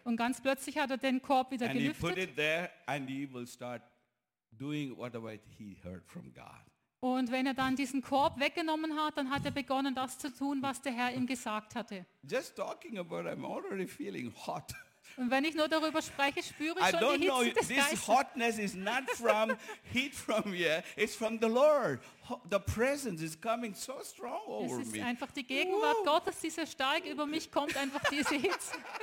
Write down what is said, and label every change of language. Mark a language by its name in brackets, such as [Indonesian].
[German] Und ganz plötzlich hat den Korb wieder gelüftet. [English] And he put it there and he will start doing whatever he heard from God. [German] Und wenn dann diesen Korb weggenommen hat, dann hat begonnen das zu tun, was der Herr ihm gesagt hatte. [English] Just talking about it, I'm already feeling hot. [German] Und wenn ich nur darüber spreche, spüre ich schon die Hitze des Geistes. [English] I don't know, this hotness is not from heat from here, it's from the Lord. The presence is coming so strong over me. [German] Es ist einfach die Gegenwart Gottes, die so stark über mich kommt, einfach diese Hitze.